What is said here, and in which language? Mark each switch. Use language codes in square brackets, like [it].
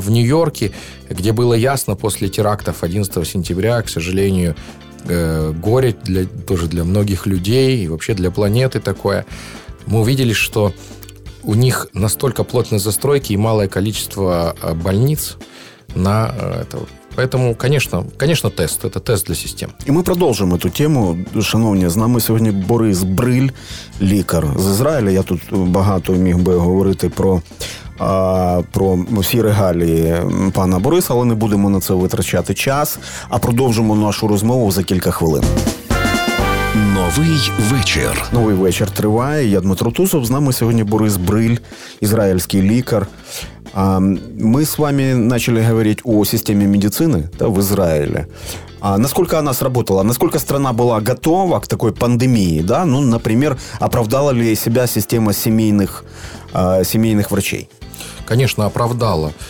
[ru] В Нью-Йорке, где было ясно после терактов 11 сентября, к сожалению, горе для, тоже для многих людей и вообще для планеты такое. Мы увидели, что у них настолько плотные застройки и малое количество больниц на это. Поэтому, конечно, тест. Это тест для систем. И мы продолжим эту тему. [uk] Шановні, з нами сьогодні Борис Бриль, лікар з Ізраїля. Я тут багато міг би говорити про всі регалії пана Бориса, але не будемо на це витрачати час, а продовжимо нашу розмову за кілька хвилин. Новий вечір. Новий вечір триває. Я Дмитро Тусов. З нами сьогодні Борис Бриль, ізраїльський лікар. [ru] Мы с вами начали говорить о системе медицины, да, в Израиле. А насколько она сработала? Насколько страна была готова к такой пандемии? Да? Ну, например, оправдала ли себя система семейных врачей? Конечно, оправдала.